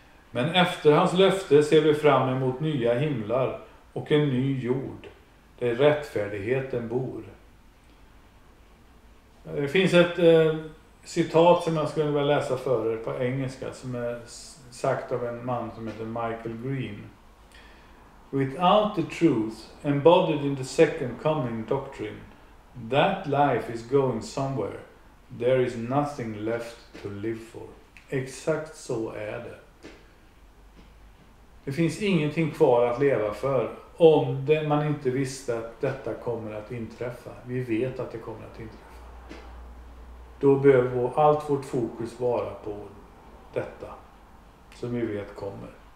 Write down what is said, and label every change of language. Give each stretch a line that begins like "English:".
Swedish: Men efter hans löfte ser vi fram emot nya himlar och en ny jord där rättfärdigheten bor. Det finns ett citat som jag skulle vilja läsa för er på engelska som är sagt av en man som heter Michael Green.
English: Without the truth embodied in the second coming doctrine, that life is going somewhere. There is nothing left to live for.
Swedish: Exakt så är det. Det finns ingenting kvar att leva för om man inte visste att detta kommer att inträffa. Vi vet att det kommer att inträffa. Då behöver allt vårt fokus vara på detta som vi vet kommer.